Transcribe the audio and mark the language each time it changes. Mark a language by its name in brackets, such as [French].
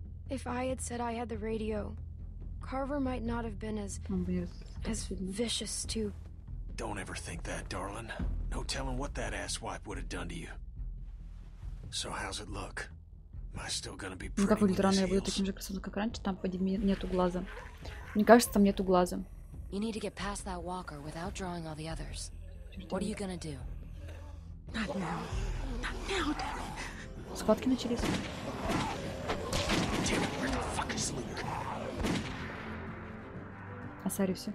[English] If I had said I had the radio, Carver might not have been as... as vicious too. Don't ever think that, darling. No telling what that asswipe would have done to you. So how's it look? Am I still gonna be pretty? [Russian] Ну как будет рано, я буду таким же красотом, как раньше. Там поди, нету глаза. Мне кажется, там нету глаза. [English] You need to get past that walker without drawing all the others. What are you gonna do? Not now. Not now, damn it. [Russian] Схватки начались. [English] Damn it, where the fuck is Luke? [Russian] А Саре все.